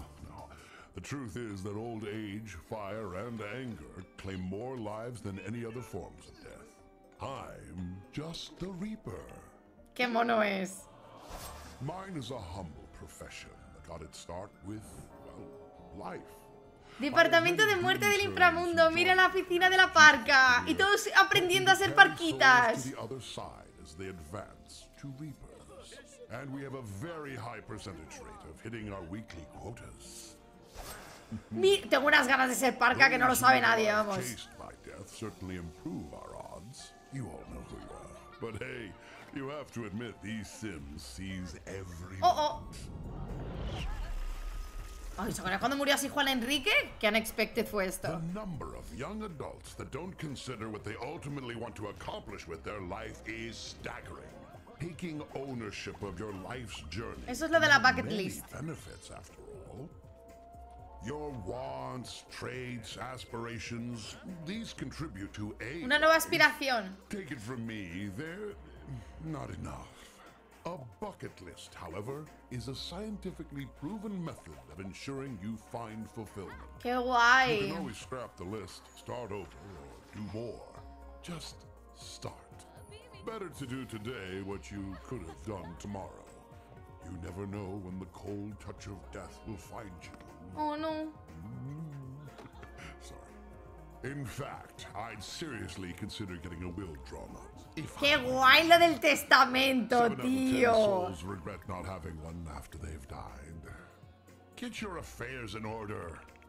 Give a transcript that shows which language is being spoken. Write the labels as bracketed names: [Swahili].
[English] No, the truth is that old age, fire, and anger claim more lives than any other forms of death. I'm just the Reaper. [Spanish] ¡Qué mono es! [English] Mine is a humble profession that got its start with, well, life. [Spanish] Departamento de Muerte del Inframundo, mira la oficina de la parca. Y todos aprendiendo a ser parquitas. [English] The other side as they advance to Reaper. And we have a very high percentage rate of hitting our weekly quotas. [Spanish] Tengo unas ganas de ser parca que no lo sabe nadie, vamos. [English] Chased by death certainly improve our odds. You all know who you are. But hey, you have to admit these Sims sees everyone. Oh, oh. [Spanish] ¿Se acuerdan cuando murió así Juan Enrique? ¿Qué [English] unexpected [Spanish] fue esto? [English] The number of young adults that don't consider what they ultimately want to accomplish with their life is staggering. Taking ownership of your life's journey. [Spanish] Eso es lo de la bucket list. [English] Benefits, after all. Your wants, traits, aspirations, these contribute to a... [Spanish] Una nueva aspiración. [English] Take it from me, they're not enough. A bucket list, however, is a scientifically proven method of ensuring you find fulfillment. [Spanish] Qué guay. [English] You can always scrap the list, start over, or do more. Just start. Better to do today what you could have done tomorrow. You never know when the cold touch of death will find you. Oh no. Sorry. In fact, I'd seriously consider getting a will drawn up. [Spanish] Qué guay lo del testamento, tío. [English] Souls regret not having one after they've died. Get your affairs in order.